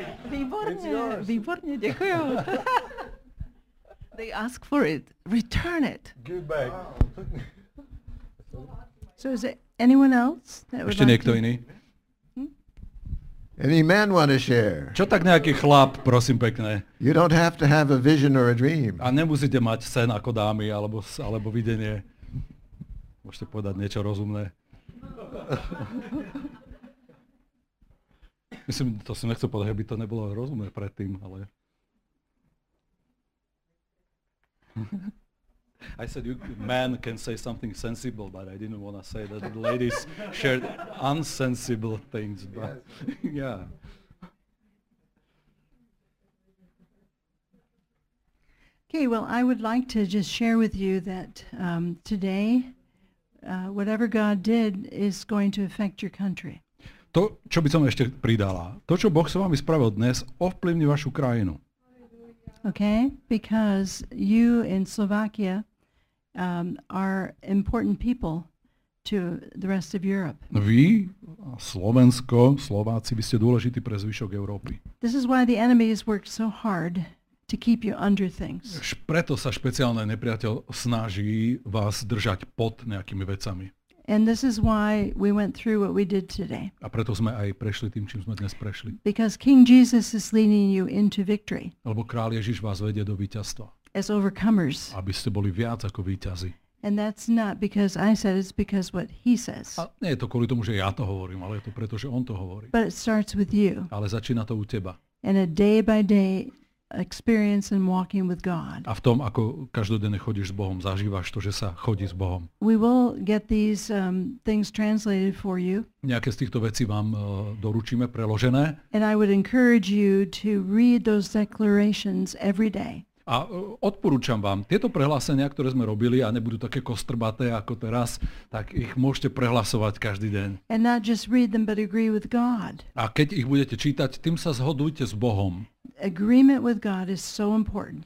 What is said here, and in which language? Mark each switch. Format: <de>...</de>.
<cs>Výborně, výborně, děkuju.</cs> <en>They ask for it, return it. Good bag. So is there anyone else that would like to? Any man want to share?</en> <sk>Čo tak nejaký chlap, prosím pekne.</sk> <en>You don't have to have a vision or a dream.</en> <sk>A nemusíte mať sen ako dámy alebo alebo videnie. Môžete povedať niečo rozumné. Myslím, to si nechcem povedať, aby to nebolo rozumné predtým, ale...</sk> <en>I said you man can say something sensible, but I didn't want to say that the ladies shared unsensible things, but yes. Yeah. Okay, well, I would like to just share with you that today, whatever God did is going to affect your country.</en> <sk>To, čo by som ešte pridala, to, čo Boh sa vami spravil dnes, ovplyvní vašu krajinu.</sk> <en>Okay, because you in Slovakia are important people to the rest of Europe.</en> <sk>Vy, Slovensko, Slováci, vy ste dôležití pre zvyšok Európy.</sk> <en>This is why the enemy has worked so hard to keep you under things.</en> <sk>Preto sa špeciálne nepriateľ snaží vás držať pod nejakými vecami.</sk> <en>And this is why we went through what we did today.</en> <sk>A preto sme aj prešli tým, čím sme dnes prešli.</sk> <en>Because King Jesus is leading you into victory.</en> <sk>Lebo kráľ Ježiš vás vedie do víťazstva.</sk> <en>As overcomers.</en> <sk>Aby ste boli viac ako víťazi.</sk> <en>And that's not because I said, it's because what he says.</en> <sk>A nie je to kvôli tomu, že ja to hovorím, ale je to preto, že on to hovorí.</sk> <en>But it starts with you.</en> <sk>Ale začína to u teba.</sk> <en>And a day by day experience and walking with God.</en> <sk>A v tom, ako každodenne chodíš s Bohom, zažívaš to, že sa chodí s Bohom.</sk> <en>We will get these things translated for you.</en> <sk>Nejaké z týchto vecí vám doručíme preložené.</sk> <en>And I would encourage you to read those declarations every day.</en> <sk>A odporúčam vám, tieto prehlásenia, ktoré sme robili a nebudú také kostrbaté ako teraz, tak ich môžete prehlasovať každý deň.</sk> <en>And not just read them, but agree with God.</en> <sk>A keď ich budete čítať, tým sa zhodujte s Bohom.</sk> <en>Agreement with God is so important.</en>